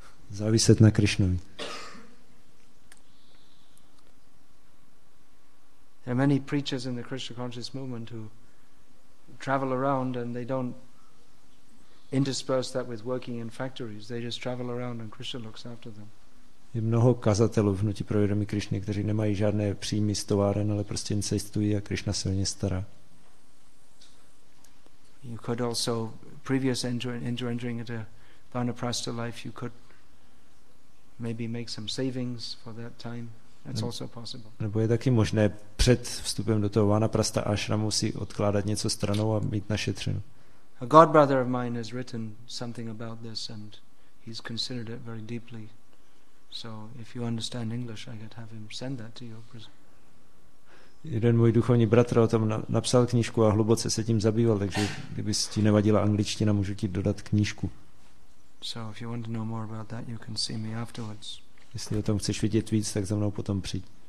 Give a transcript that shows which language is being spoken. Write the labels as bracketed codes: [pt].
[cs] Záviset na Krishnovi. [en] There are many preachers in the Krishna conscious movement who travel around and they don't intersperse that with working in factories. They just travel around and Krishna looks after them. [cs] Je mnoho kazatelů v hnutí pro vědomí Krišny, kteří nemají žádné příjmy z továren, ale prostě jen cestují a Krišna se o ně stará. [en] You could also previous entering into vanaprastha life, you could maybe make some savings for that time. That's also possible. [cs] Nebo je taky možné před vstupem do toho vanaprastha ashramu si odkládat něco stranou a mít našetřeno. [en] A godbrother of mine has written something about this and he's considered it very deeply. So if you understand English, I could have him send that to you. [cs] Jeden můj duchovní bratr o tom napsal knížku a hluboce se tím zabýval, takže kdyby ti nevadila angličtina, můžu ti dodat knížku. [en] So if you want to know more about that, you can see me afterwards. [cs] Jestli o tom chceš vidět víc, tak za mnou potom přijď.